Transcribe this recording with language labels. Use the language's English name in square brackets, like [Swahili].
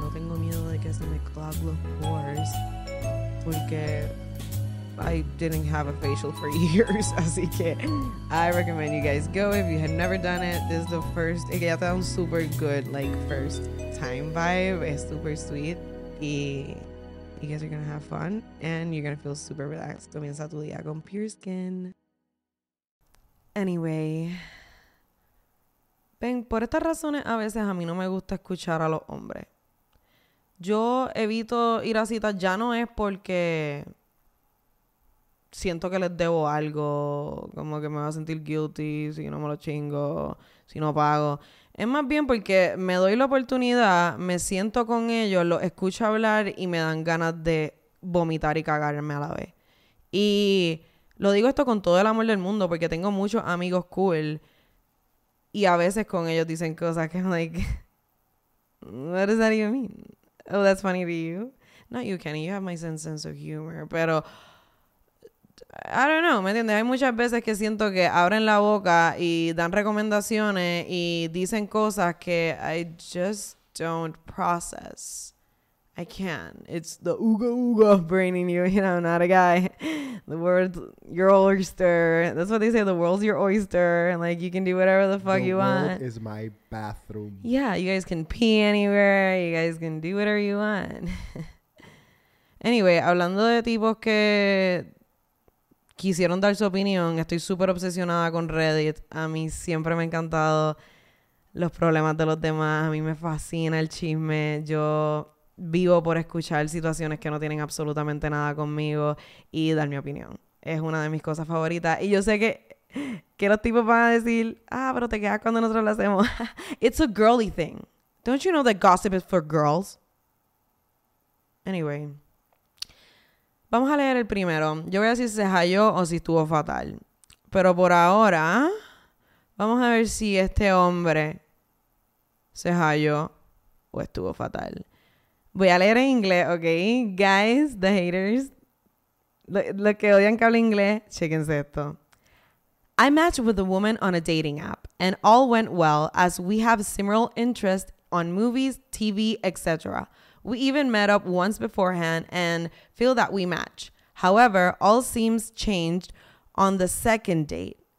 [Spanish] No tengo miedo de que se me clog los pores porque [English] I didn't have a facial for years. [Spanish] Así que [English] I recommend you guys go if you had never done it. This is the first. [Spanish] Es que ya te da un [English] super good, like, first time vibe. [Spanish] Es [English] super sweet. Y you guys are gonna have fun. And you're gonna feel super relaxed. [Spanish] Comienza tu día con Pure Skin. Anyway. Ven, por estas razones a veces a mí no me gusta escuchar a los hombres. Yo evito ir a citas. Ya no es porque siento que les debo algo, como que me va a sentir guilty si no me lo chingo, si no pago. Es más bien porque me doy la oportunidad, me siento con ellos, los escucho hablar y me dan ganas de vomitar y cagarme a la vez. Y lo digo esto con todo el amor del mundo porque tengo muchos amigos cool y a veces con ellos dicen cosas que [English] I'm like, what does that even mean? Oh, that's funny to you? Not you, Kenny. You have my sense of humor. [Spanish] Pero [English] I don't know, [Spanish] ¿me entiendes? Hay muchas veces que siento que abren la boca y dan recomendaciones y dicen cosas que [English] I just don't process. I can't. It's the uga uga brain in you, you know, not a guy. The world, your oyster. That's what they say, the world's your oyster. And like, you can do whatever the fuck you want. The world is my bathroom. Yeah, you guys can pee anywhere. You guys can do whatever you want. [Spanish] Anyway, hablando de tipos que quisieron dar su opinión, estoy súper obsesionada con Reddit. A mí siempre me han encantado los problemas de los demás. A mí me fascina el chisme. Yo vivo por escuchar situaciones que no tienen absolutamente nada conmigo y dar mi opinión. Es una de mis cosas favoritas. Y yo sé que los tipos van a decir, ah, pero te quedas cuando nosotros lo hacemos. [English] It's a girly thing. Don't you know that gossip is for girls? [Spanish] Anyway, vamos a leer el primero. Yo voy a decir si se halló o si estuvo fatal. Pero por ahora, vamos a ver si este hombre se halló o estuvo fatal. Voy a leer en inglés, ¿ok? [English] Guys, the haters, [Spanish] los que odian que hable inglés, chéquense esto. [English] I matched with a woman on a dating app, and all went well as we have similar interests on movies, TV, etc. We even met up once beforehand and feel that we match. However, all seems changed on the second date.